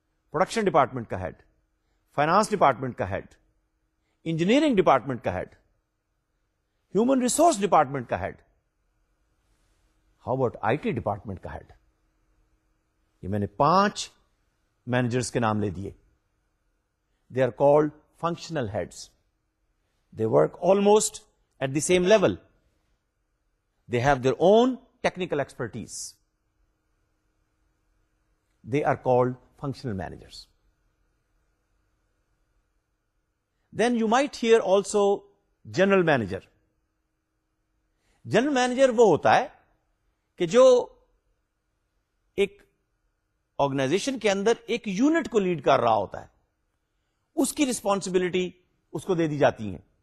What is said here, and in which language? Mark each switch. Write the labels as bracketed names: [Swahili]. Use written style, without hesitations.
[Urdu] Production department کا head, finance department کا head, engineering department کا ہیڈ، ہیومن ریسورس ڈپارٹمنٹ کا head, [English] how about [Urdu] I T department کا head? یہ میں نے پانچ مینیجرز کے نام لے دیے. [English] They are called functional heads. They work almost at the same level. They have their own technical expertise. They are called functional managers. Then you might hear also general manager. [Urdu] General manager وہ ہوتا ہے کہ جو ایک organization کے اندر ایک unit کو lead کر رہا ہوتا ہے، اس کی ریسپانسبلٹی اس کو دے دی جاتی ہیں.